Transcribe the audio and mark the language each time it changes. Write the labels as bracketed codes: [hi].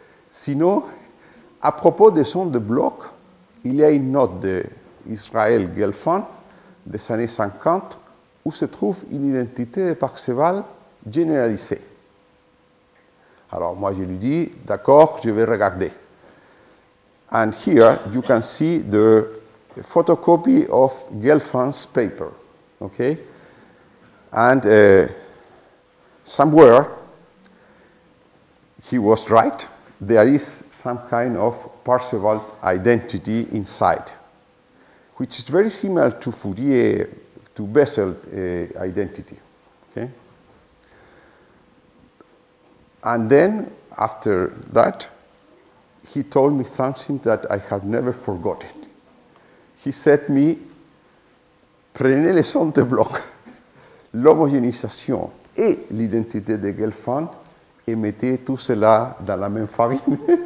[fr] Sinon, à propos des sons de bloc, il y a une note d'Israël Gelfand des années 50 où se trouve une identité de Parseval généralisée. Alors moi je lui dis, d'accord, je vais regarder. [en] And here you can see the photocopy of Gelfand's paper. Okay? And somewhere he was right. There is some kind of Parseval identity inside, which is very similar to Fourier, to Bessel's identity. Okay? And then, after that, he told me something that I have never forgotten. He said to me, [fr] prenez les sons de bloc, l'homogénéisation et l'identité de Gelfand, et mettez tout cela dans la même farine.